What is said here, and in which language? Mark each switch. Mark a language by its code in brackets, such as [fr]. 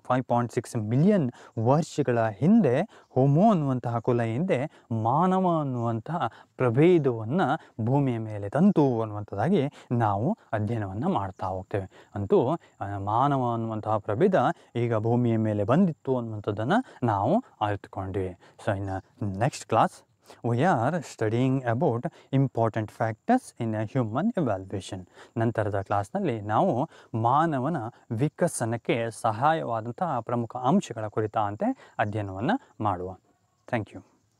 [kn] 5.6 million ವರ್ಷಗಳ ಹಿಂದೆ homo ಅನ್ನುವಂತಹ ಕುಲ ಹಿಂದೆ ಮಾನವ ಅನ್ನುವಂತಹ ಪ್ರಭೇದವನ್ನು ಭೂಮಿಯ ಮೇಲೆ ತಂತು ಅನ್ನುವಂಥದ್ದಾಗಿ ನಾವು ಅಧ್ಯಯನವನ್ನು ಮಾಡ್ತಾ ಹೋಗ್ತೇವೆ. ಅಂತೂ ಮಾನವ ಅನ್ನುವಂತಹ ಪ್ರಭೇದ ಈಗ ಭೂಮಿಯ ಮೇಲೆ ಬಂದಿತ್ತು ಅನ್ನುವಂಥದ್ದನ್ನು ನಾವು ಅರಿತುಕೊಂಡ್ವಿ. ಸೊ ಇನ್ನು next class [en] We are studying about important factors in a human evaluation. [kn] ನಂತರದ ಕ್ಲಾಸ್ನಲ್ಲಿ ನಾವು ಮಾನವನ ವಿಕಸನಕ್ಕೆ ಸಹಾಯವಾದಂತಹ ಪ್ರಮುಖ ಅಂಶಗಳ ಕುರಿತಂತೆ ಅಧ್ಯಯನವನ್ನು ಮಾಡುವ. [en] Thank you.